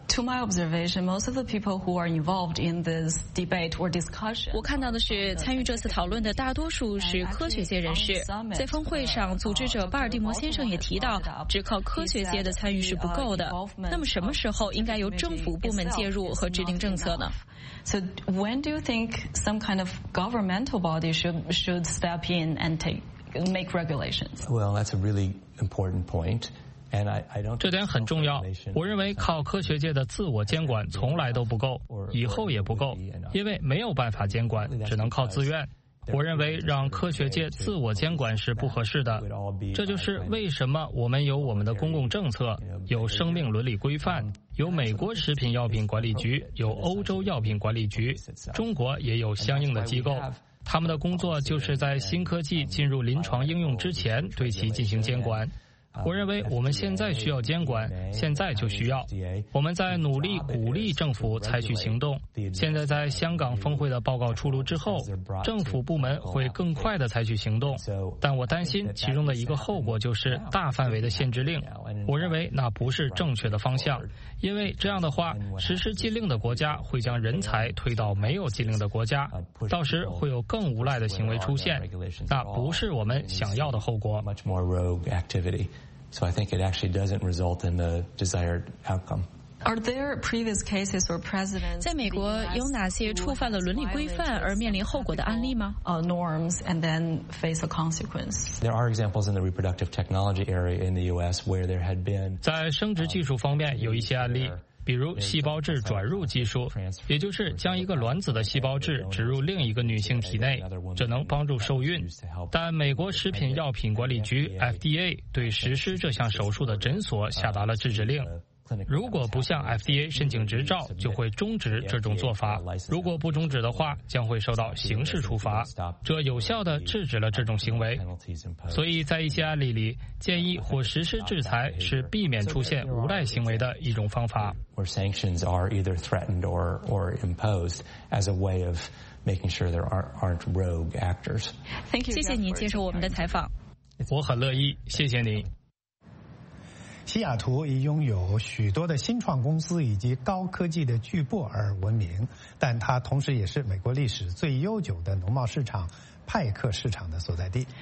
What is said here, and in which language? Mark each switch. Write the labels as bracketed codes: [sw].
[en] To my observation, most of the people who are involved in this debate or discussion. [zh] 我看到的是参与这次讨论的大多数是科学界人士。在峰会上，组织者巴尔的摩先生也提到，只靠科学界的参与是不够的。那么什么时候应该由政府部门介入和制定政策呢？ [en] So when do you think some kind of governmental body should step in and make regulations? Well, that's a really important point. [zh] 这点很重要，我认为靠科学界的自我监管从来都不够，以后也不够，因为没有办法监管，只能靠自愿。我认为让科学界自我监管是不合适的，这就是为什么我们有我们的公共政策，有生命伦理规范，有美国食品药品管理局，有欧洲药品管理局，中国也有相应的机构，他们的工作就是在新科技进入临床应用之前对其进行监管。我认为我们现在需要监管，现在就需要。我们在努力鼓励政府采取行动。现在在香港峰会的报告出炉之后，政府部门会更快地采取行动。但我担心其中的一个后果就是大范围的限制令。我认为那不是正确的方向，因为这样的话，实施禁令的国家会将人才推到没有禁令的国家，到时会有更无赖的行为出现，那不是我们想要的后果。 [en] So I think it actually doesn't result in the desired outcome. Are there previous cases or precedents? [zh] 在美国有哪些触犯了伦理规范而面临后果的案例吗？ [en] Norms and then face a consequence. There are examples in the reproductive technology area in the U.S. where there had been. [zh] 在生殖技术方面有一些案例。比如细胞质转入技术，也就是将一个卵子的细胞质植入另一个女性体内，这能帮助受孕。但美国食品药品管理局 FDA 对实施这项手术的诊所下达了制止令，如果不向 FDA 申请执照，就会终止这种做法。如果不终止的话，将会受到刑事处罚。这有效地制止了这种行为。所以在一些案例里，建议或实施制裁是避免出现无赖行为的一种方法。 [en] Where sanctions are either threatened or imposed as a way of making sure there aren't rogue actors. Thank you. [zh] 谢谢你接受我们的采访。我很乐意，谢谢您。西雅图已拥有许多的新创公司以及高科技的巨擘而闻名，但它同时也是美国历史最悠久的农贸市场派克市场的所在地。